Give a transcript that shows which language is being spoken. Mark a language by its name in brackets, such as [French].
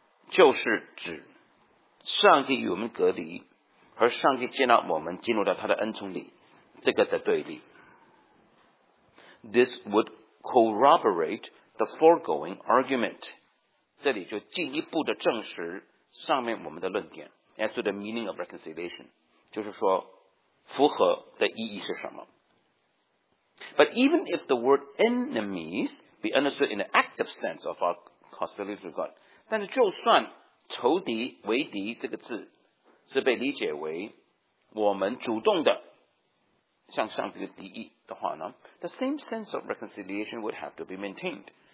[Chinese] 假如我们采用这个意义，就是说，做神的敌人呢是上帝与我们隔离，不是我们对他什么敌意。假如我们采取这个意思的话呢，那么为敌和符合这个的对立呢，就是指 上帝与我们隔离和上帝接纳我们进入到他的恩宠里这个的对立。This [English] would corroborate the foregoing argument. [Chinese] 这里就进一步的证实上面我们的论点。As [English] to the meaning of reconciliation, [Chinese] 就是说符合的意义是什么。 [English] But even if the word enemies be understood in the active sense of our hostility to God, [Chinese] 但是就算 仇敌、为敌这个字是被理解为我们主动的向上帝的敌意的话呢， [English] the same sense of reconciliation would have to be maintained.